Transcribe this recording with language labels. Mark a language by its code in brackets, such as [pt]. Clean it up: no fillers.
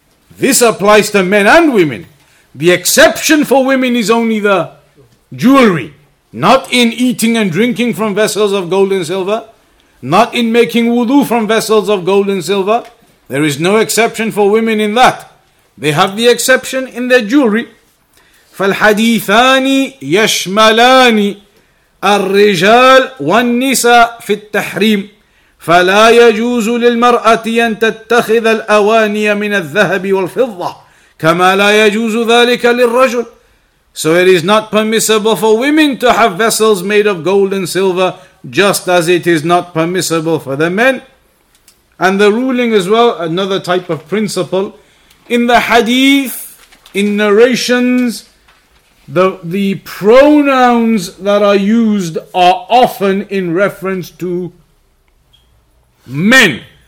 [en] This applies to men and women. The exception for women is only the jewelry. Not in eating and drinking from vessels of gold and silver. Not in making wudu from vessels of gold and silver. There is no exception for women in that. They have the exception in their jewelry. [ar] فَالْحَدِيثَانِ يَشْمَلَانِ الرِّجَالِ وَالنِّسَاءِ فِي التَّحْرِيمِ فلا يجوز للمرأة أن تتخذ الأواني من الذهب والفضة كما لا يجوز ذلك للرجل. [en] So it is not permissible for women to have vessels made of gold and silver, just as it is not permissible for the men. And the ruling as well, another type of principle. In the hadith, in narrations, the pronouns that are used are often in reference to men.